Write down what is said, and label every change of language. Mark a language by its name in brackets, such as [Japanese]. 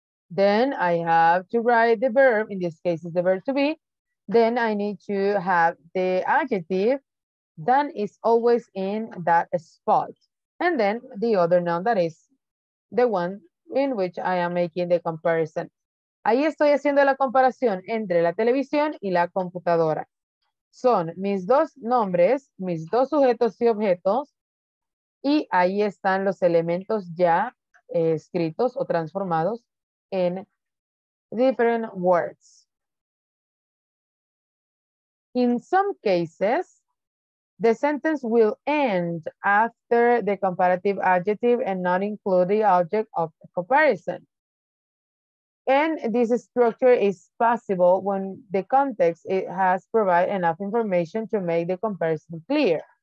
[English] Then I have to write the verb, in this case is the verb to be. Then I need to have the adjective, then is always in that spot. And then the other noun that is the one in which I am making the comparison. [Spanish] Ahí estoy haciendo la comparación entre la televisión y la computadora. Son mis dos nombres, mis dos sujetos y objetos, Y ahí están los elementos ya escritos o transformados en [English] different words. In some cases, the sentence will end after the comparative adjective and not include the object of comparison. And this structure is possible when the context it has provided enough information to make the comparison clear.